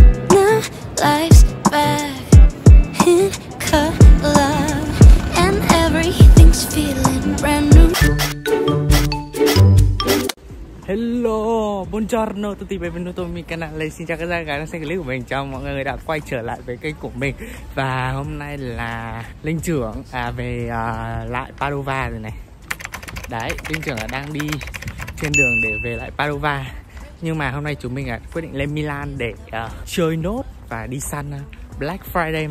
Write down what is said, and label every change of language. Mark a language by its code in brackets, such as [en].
[en] Now life's back in color and everything's feeling brand new. [it] Hello, buongiorno tutti, benvenuto mi canale. [vi] Xin chào các bạn, xin clip của mình. Chào mọi người đã quay trở lại với kênh của mình. Và hôm nay là Linh trưởng về lại Padova rồi này. Đấy, Linh trưởng đang đi trên đường để về lại Padova. Nhưng mà hôm nay chúng mình quyết định lên Milan để chơi nốt và đi săn Black Friday.